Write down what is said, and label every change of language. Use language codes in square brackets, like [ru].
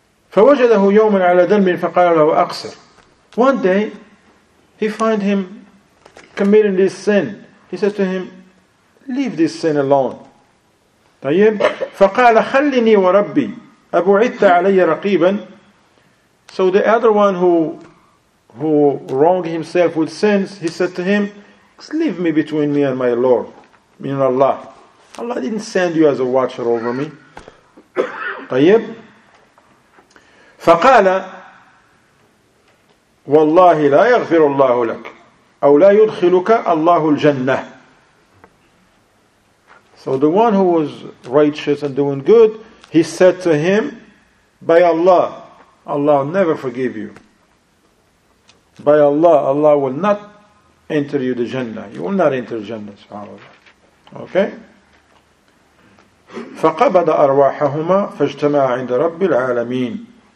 [ar] فوجده يوما على ذنب فقال له أقصر. [en] One day, he find him committing this sin. He says to him, leave this sin alone. [ar] طيب. فقال خلني وربي أبعدت علي رقيبا. [en] So the other one who wronged himself with sins, he said to him, leave me between me and my Lord, meaning Allah. Allah didn't send you as a watcher over me. [ar] طيب. فقال والله لا يغفر الله لك أو لا يدخلك الله الجنة. [en] So the one who was righteous and doing good, he said to him, by Allah, Allah will never forgive you. By Allah, Allah will not enter you the Jannah. You will not enter Jannah, subhanAllah. Okay? [ar] فَقَبَضَ أَرْوَاحَهُمَا فَاجْتَمَعَ عِنْدَ رَبِّ الْعَالَمِينَ.